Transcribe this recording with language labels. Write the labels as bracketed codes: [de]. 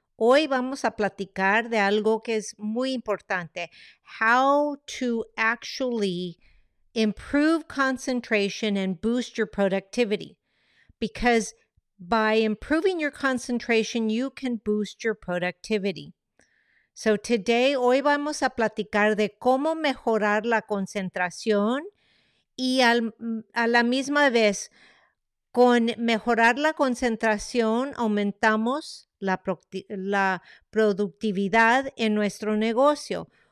[es] Hoy vamos a platicar de algo que es muy importante. [en] How to actually improve concentration and boost your productivity. Because by improving your concentration, you can boost your productivity. So today, [es] hoy vamos a platicar de cómo mejorar la concentración. Y a la misma vez, con mejorar la concentración, aumentamos la productividad en nuestro negocio.